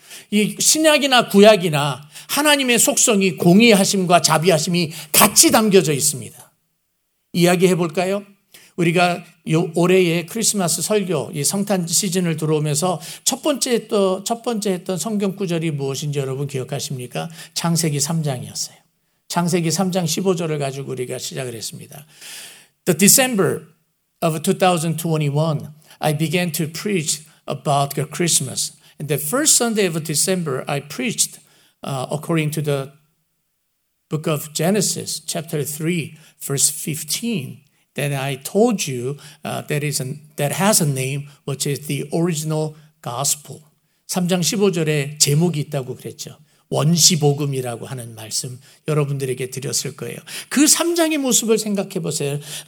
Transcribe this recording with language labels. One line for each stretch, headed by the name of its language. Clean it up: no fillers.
Korean: 이 신약이나 구약이나 하나님의 속성이 공의하심과 자비하심이 같이 담겨져 있습니다. 이야기해 볼까요? 우리가 요 올해의 크리스마스 설교, 이 성탄 시즌을 들어오면서 첫 번째 했던 성경 구절이 무엇인지 여러분 기억하십니까? 창세기 3장이었어요. 창세기 3장 15절을 가지고 우리가 시작을 했습니다.
English: The December of 2021, I began to preach about Christmas. And the first Sunday of December, I preached according to the book of Genesis, chapter 3, verse 15. Then I told you that has a name, which is the original gospel.
Korean: 3장 15절에 제목이 있다고 그랬죠. 원시복음이라고 하는 말씀 여러분들에게 드렸을 거예요. 그 3장의 모습을 생각해 보세요.